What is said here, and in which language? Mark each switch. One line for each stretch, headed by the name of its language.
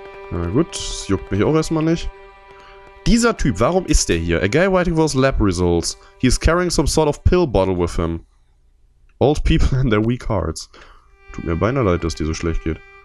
German: Na gut, juckt mich auch erstmal nicht. Dieser Typ, warum ist der hier?
English: A guy waiting for his lab results. He is carrying some sort of pill bottle with him. Old people and their weak hearts.
German: Tut mir beinahe leid, dass dir so schlecht geht.